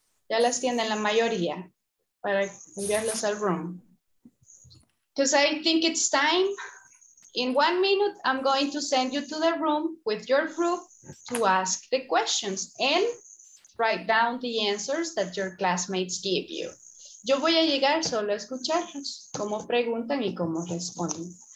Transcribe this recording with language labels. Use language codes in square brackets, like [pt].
[es] Ya las tienen la mayoría para enviarlas al room. [en] Because I think it's time. In 1 minute, I'm going to send you to the room with your group to ask the questions and write down the answers that your classmates give you. [es] Yo voy a llegar solo a escucharlos, cómo preguntan y cómo responden.